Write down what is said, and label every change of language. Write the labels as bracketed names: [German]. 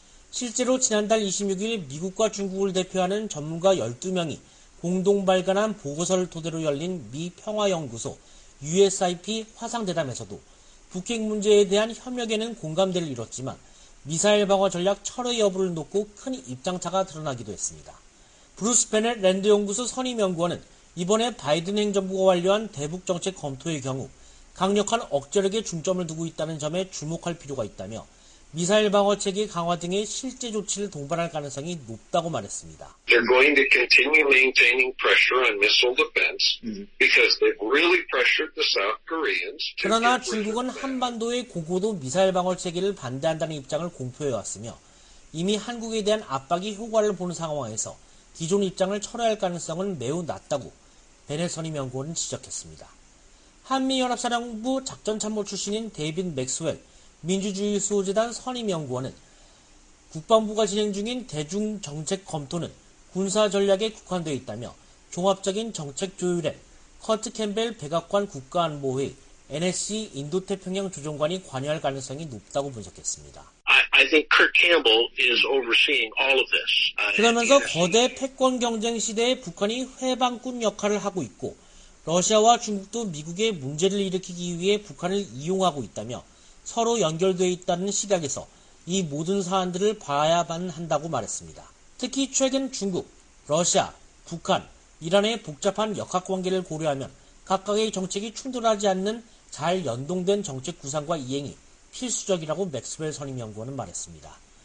[Korean] 실제로 지난달 26일 미국과 중국을 대표하는 전문가 12명이 공동 발간한 보고서를 토대로 열린 미 평화연구소 USIP 화상대담에서도 북핵 문제에 대한 협력에는 공감대를 이뤘지만 미사일 방어 전략 철회 여부를 놓고 큰 입장차가 드러나기도 했습니다. 브루스 베넷 랜드 연구소 선임연구원은 이번에 바이든 행정부가 완료한 대북정책 검토의 경우 강력한 억제력에 중점을 두고 있다는 점에 주목할 필요가 있다며 미사일 방어 체계 강화 등의 실제 조치를 동반할 가능성이 높다고 말했습니다. [English] They're going to continue maintaining pressure on missile defense because they've really pressured the South Koreans. [Korean] 그러나 중국은 한반도의 고고도 미사일 방어 체계를 반대한다는 입장을 공표해왔으며 이미 한국에 대한 압박이 효과를 보는 상황에서 기존 입장을 철회할 가능성은 매우 낮다고 베넷 선임연구원은 지적했습니다. 한미연합사령부 작전참모 출신인 데이빈 맥스웰 민주주의 수호재단 선임연구원은 국방부가 진행 중인 대중 정책 검토는 군사 전략에 국한되어 있다며 종합적인 정책 조율에 커트 캠벨 백악관 국가안보회 NSC 인도태평양 조정관이 관여할 가능성이 높다고 분석했습니다. [English] I think Kurt Campbell is overseeing all of this. [Korean] 그러면서 거대 패권 경쟁 시대에 북한이 회방꾼 역할을 하고 있고 러시아와 중국도 미국의 문제를 일으키기 위해 북한을 이용하고 있다며 서로 연결되어 있다는 시각에서 이 모든 사안들을 봐야만 한다고 말했습니다. 특히 최근 중국, 러시아, 북한, 이란의 복잡한 역학관계를 고려하면 각각의 정책이 충돌하지 않는 잘 연동된 정책 구상과 이행이 필수적이라고 맥스웰 선임연구원은 말했습니다.